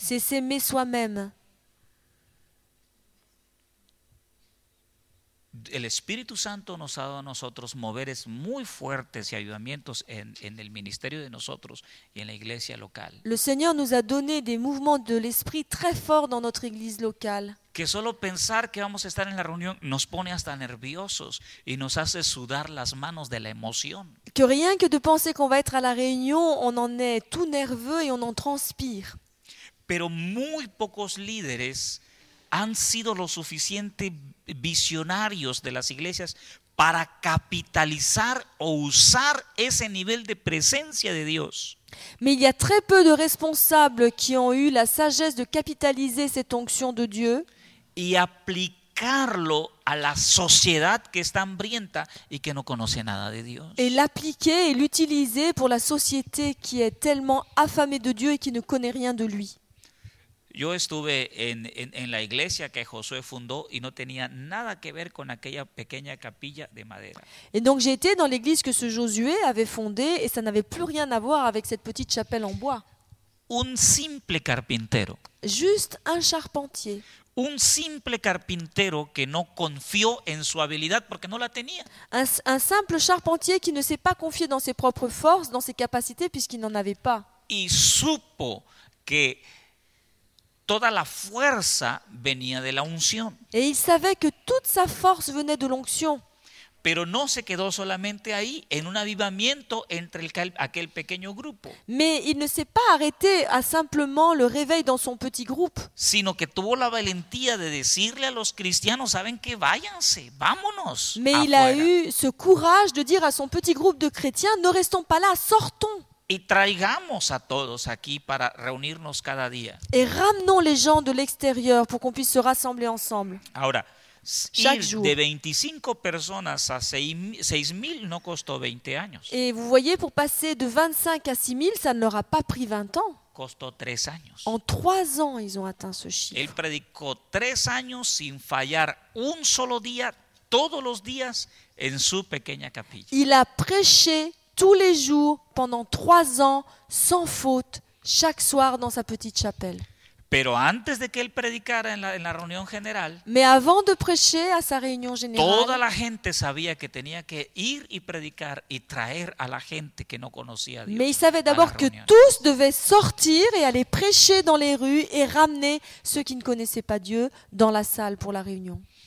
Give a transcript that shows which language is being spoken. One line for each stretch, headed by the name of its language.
French: C'est s'aimer soi-même.
Spanish: El Espíritu Santo nos ha dado a nosotros moveres muy fuertes y avivamientos en el ministerio de nosotros y en la iglesia local.
French: Le Seigneur nous a donné des mouvements de l'esprit très forts dans notre église locale.
Spanish: Que solo pensar que vamos a estar en la reunión nos pone hasta nerviosos y nos hace sudar las manos de la emoción.
French: Que rien que de penser qu'on va être à la réunion, on en est tout nerveux et on en transpire.
Spanish: Pero muy pocos líderes han sido lo suficiente visionarios de las iglesias para capitalizar o usar ese nivel de presencia de Dios.
French: Mais il y a très peu de responsables qui ont eu la sagesse de capitaliser cette onction de Dieu
Spanish: y aplicarlo a la sociedad que está hambrienta y que no conoce nada de Dios.
French: Et l'appliquer et l'utiliser pour la société qui est tellement affamée de Dieu et qui ne connaît rien de lui.
Spanish: Yo estuve en la iglesia que Josué fundó y no tenía nada que ver con aquella pequeña capilla de madera.
French: Et donc j'étais dans l'église que ce Josué avait fondée et ça n'avait plus rien à voir avec cette petite chapelle en bois.
Spanish: Un simple carpintero.
French: Juste un charpentier.
Spanish: Un simple carpintero que no confió en su habilidad porque no la tenía.
French: Un simple charpentier qui ne s'est pas confié dans ses propres forces, dans ses capacités puisqu'il n'en avait pas.
Spanish: Y supo que toda la fuerza venía de la unción.
French: Et il savait que toute sa force venait de l'onction.
Spanish: Pero no se quedó solamente ahí, en un avivamiento entre aquel pequeño grupo.
French: Mais il ne s'est pas arrêté à simplement le réveil dans son petit groupe.
Spanish: Sino que tuvo la valentía de decirle a los cristianos, ¿saben qué? Váyanse, vámonos.
French: Mais
Spanish: afuera.
French: Il a eu ce courage de dire à son petit groupe de chrétiens, ne restons pas là, sortons.
Spanish: Y traigamos a todos aquí para reunirnos cada día.
French: Et ramenons les gens de l'extérieur pour qu'on puisse se rassembler ensemble.
Spanish: Ahora,
French: chaque jour.
Spanish: De 25 personas a 6,000 no costó 20 años.
French: Et vous voyez, pour passer de 25 à 6,000, ça ne leur a pas pris 20 ans.
Spanish: Costó 3 años.
French: En 3 ans, ils ont atteint ce chiffre.
Spanish: Él predicó 3 años sin fallar un solo día, todos los días, en su pequeña capilla.
French: Il a prêché tous les jours, pendant 3 ans, sans faute, chaque soir dans sa petite chapelle.
Spanish: Pero antes de que él predicara en la reunión general,
French: mais avant de prêcher à sa réunion générale,
Spanish: toda la gente sabía que tenía que ir y predicar y traer a la gente que no conocía a Dios.
French: Mais il savait d'abord que tous devaient sortir et aller prêcher dans les rues et ramener ceux qui ne connaissaient pas Dieu dans la salle pour la réunion.